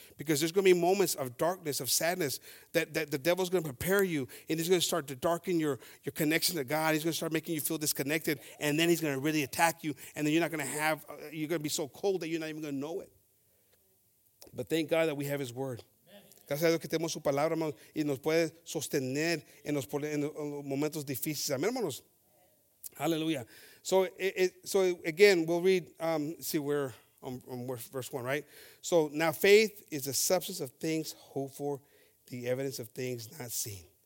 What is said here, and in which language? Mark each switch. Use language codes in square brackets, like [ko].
[en] Because there's going to be moments of darkness, of sadness, that the devil's going to prepare you. And he's going to start to darken your connection to God. He's going to start making you feel disconnected. And then he's going to really attack you. And then you're not going to have, you're going to be so cold that you're not even going to know it. But thank God that we have his word. [es] Gracias a Dios que tenemos su palabra, hermanos, y nos puede sostener en los momentos difíciles. Amén, hermanos. Aleluya. [en] So again, we'll read, see, we're on verse 1, right? So now faith is the substance of things hoped for, the evidence of things not seen.